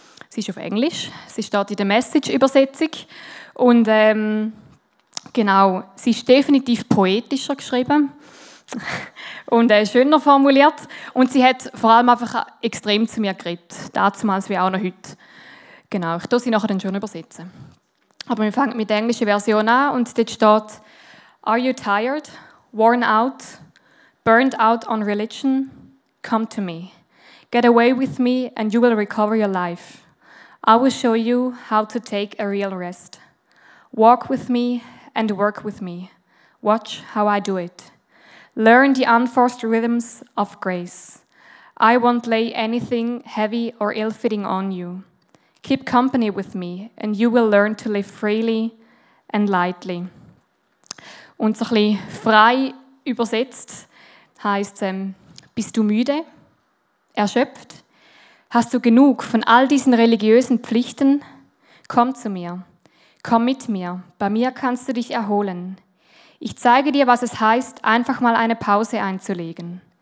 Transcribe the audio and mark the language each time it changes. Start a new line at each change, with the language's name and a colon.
German: Sie ist auf Englisch, sie steht in der Message-Übersetzung und sie ist definitiv poetischer geschrieben und schöner formuliert und sie hat vor allem einfach extrem zu mir geredet, damals wie auch noch heute. Genau, ich tue sie nachher dann schon übersetzen. Aber wir fangen mit der englischen Version an und dort steht:
English: Are you tired, worn out, burned out on religion? Come to me. Get away with me and you will recover your life. I will show you how to take a real rest. Walk with me and work with me. Watch how I do it. Learn the unforced rhythms of grace. I won't lay anything heavy or ill-fitting on you. Keep company with me and you will learn to live freely and lightly.
German: Und so ein bisschen frei übersetzt heisst: Bist du müde? Erschöpft? Hast du genug von all diesen religiösen Pflichten? Komm zu mir. Komm mit mir. Bei mir kannst du dich erholen. Ich zeige dir, was es heißt, einfach mal eine Pause einzulegen.